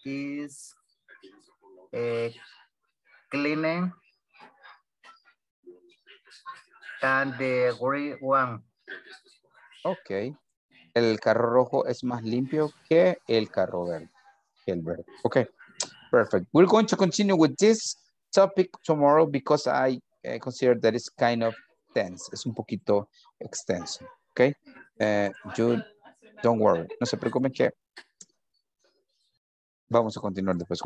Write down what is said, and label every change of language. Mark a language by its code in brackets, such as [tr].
[en] is cleaner than the green one. Okay. [es] El carro rojo es más limpio que el carro verde. El verde. Okay. Perfect. [en] We're going to continue with this topic tomorrow because I consider that it's kind of tense. [es] Es un poquito extenso. Okay. [en] Don't worry. [es] No se preocupen que vamos a continuar después.